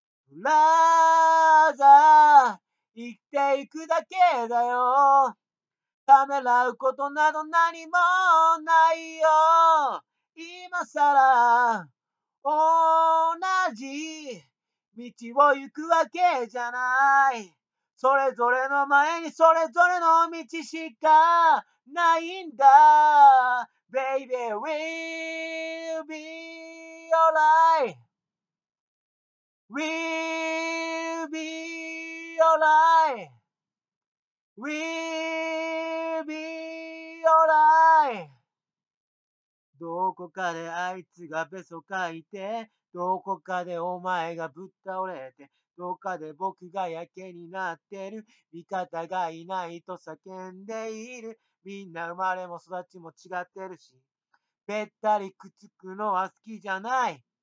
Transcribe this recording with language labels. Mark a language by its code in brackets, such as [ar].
[ja] ブラザー生きていくだけだよ、ためらうことなど何もないよ。今さら同じ道を行くわけじゃない。それぞれの前にそれぞれの道しかないんだ。 [en] Baby we'll be alright, we'll be alright, we'll be alright。 [ja] どこかであいつがベソかいて、どこかでお前がぶっ倒れて、どこかで僕がやけになってる。味方がいないと叫んでいる。みんな生まれも育ちも違ってるし、べったりくっつくのは好きじゃない。